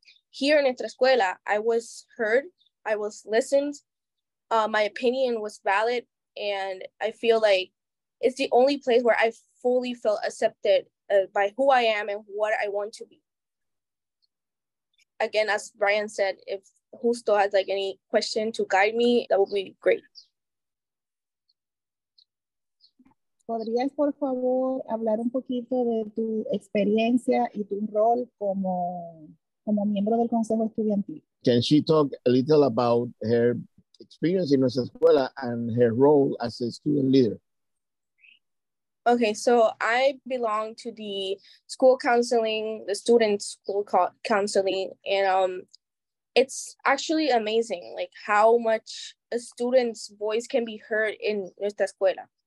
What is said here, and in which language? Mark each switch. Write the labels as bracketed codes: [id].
[en] Here in Nuestra Escuela, I was heard, I was listened, my opinion was valid, and I feel like it's the only place where I fully felt accepted by who I am and what I want to be. Again, as Brayan said, if Justo has like any question to guide me, that would be great. [es] ¿Podrías, por favor, hablar un poquito de tu experiencia y tu rol como, como miembro del Consejo Estudiantil? [en] Can she talk a little about her experience in Nuestra Escuela and her role as a student leader? Okay, so I belong to the school counseling, the student school counseling, and it's actually amazing, like how much a student's voice can be heard in Nuestra Escuela.